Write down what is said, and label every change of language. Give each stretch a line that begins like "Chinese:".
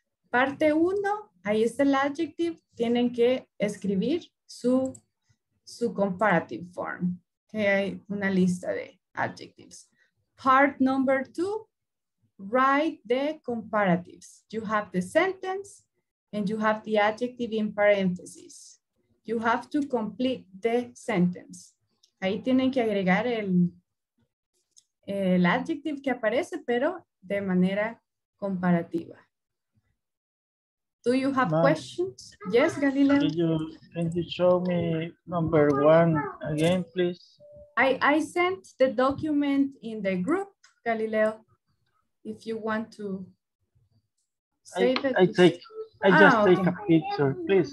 Spanish: Parte uno, ahí está el adjective. Tienen que escribir su comparative form. Okay, hay una lista de adjectives.
English: Part number two, write the comparatives. You have the sentence and you have the adjective in parentheses. You have to complete the sentence.
Spanish: Ahí tienen que agregar el adjective que aparece, pero de manera comparativa.
English: Do you have questions? Yes, Galileo. Can you show me number one again, please? I sent the document in the group, Galileo. If you want to save I just take a picture, please.